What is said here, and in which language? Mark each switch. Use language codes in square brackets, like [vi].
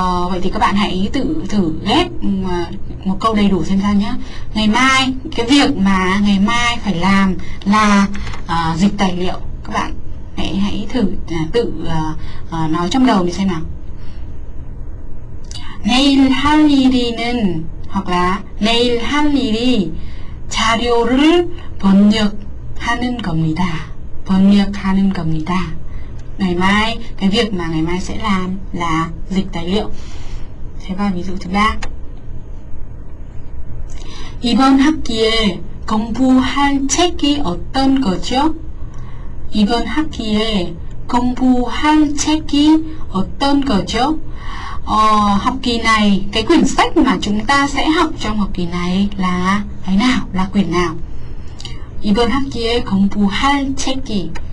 [vi] Vậy thì các bạn hãy tự thử ghép một câu đầy đủ xem sao nhé. Ngày mai, cái việc mà ngày mai phải làm là dịch tài liệu. Các bạn hãy thử tự nói trong đầu mình xem nào. [ko] 내일 할 일이는 [vi] hoặc là [ko] 내일 할 일이 자료를 번역하는 겁니다. 번역하는 겁니다. [vi] Ngày mai, cái việc mà ngày mai sẽ làm là dịch tài liệu. Thế và ví dụ thứ ba. [ko] 이번 학기에 공부할 책이 어떤 거죠? 이번 학기에 공부할 책이 어떤 거죠? [vi] Học kỳ này, cái quyển sách mà chúng ta sẽ học trong học kỳ này là cái nào, là quyển nào? [ko] 이번 학기에 공부할 책이.